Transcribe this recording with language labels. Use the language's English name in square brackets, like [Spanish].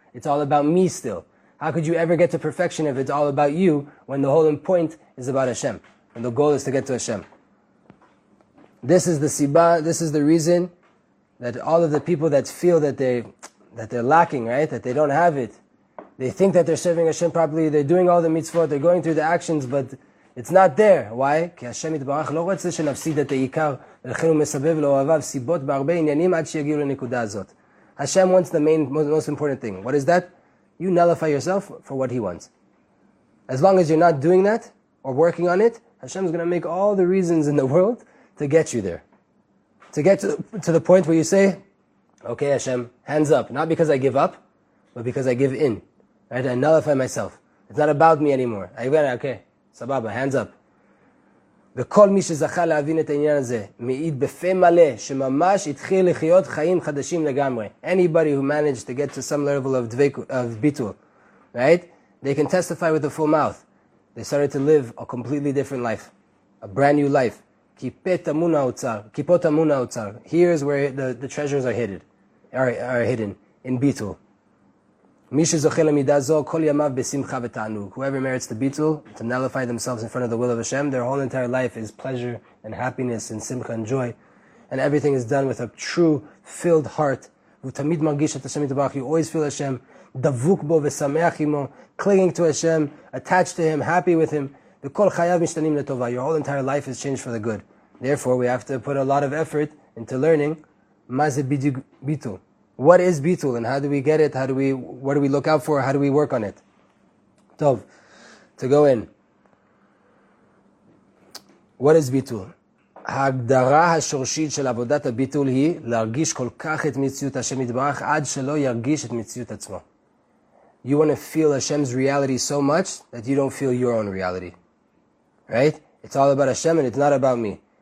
[English] It's all about me still. How could you ever get to perfection if it's all about you when the whole point is about Hashem, and the goal is to get to Hashem? This is the siba, this is the reason that all of the people that feel that they're lacking, right? That they don't have it. They think that they're serving Hashem properly, they're doing all the mitzvot, they're going through the actions, but it's not there. Why? [Hebrew] כי השם יתברך לא רוצה שנפסיד את העיקר, ולכן הוא מסבב לאוהביו סיבות בהרבה עניינים עד שיגיעו לנקודה הזאת. [English] Hashem wants the main, most important thing. What is that? You nullify yourself for what He wants. As long as you're not doing that, or working on it, Hashem is going to make all the reasons in the world to get you there. To get to the point where you say, okay Hashem, hands up. Not because I give up, but because I give in. Right? I nullify myself. It's not about me anymore. I went, okay, sababa, hands up. [Hebrew] וכל מי שזכה להבין את העניין הזה, מעיד בפה מלא, שממש התחיל לחיות חיים חדשים לגמרי. [English] Anybody who managed to get to some level of bitul, right? They can testify with a full mouth. They started to live a completely different life. A brand new life. [Hebrew] Kipot amun ha'otzar. [English] Here is where the treasures are hidden. Are hidden in bitul. [Hebrew] מי שזוכה למידה זו כל ימיו בשמחה ותענוג. [English] Whoever merits the bitul, to nullify themselves in front of the will of Hashem, their whole entire life is pleasure and happiness and simcha and joy. And everything is done with a true, filled heart. [Hebrew] הוא תמיד מרגיש את השם יתברך, [English] you always feel Hashem, [Hebrew] דבוק בו ושמח עמו, [English] clinging to Hashem, attached to Him, happy with Him. [Hebrew] וכל חייו משתנים לטובה. [English] Your whole entire life is changed for the good. Therefore, we have to put a lot of effort into learning [Hebrew] מה זה בדיוק ביטול. [English] What is bitul and how do we get it? What do we look out for? How do we work on it? Tov, to go in. What is bitul? [Hebrew] ההגדרה השורשית של עבודת הביטול היא להרגיש כל כך את מציאות השם יתברך עד שלא ירגיש את מציאות עצמו. [English] You want to feel Hashem's reality so much that you don't feel your own reality. Right? It's all about Hashem and it's not about me.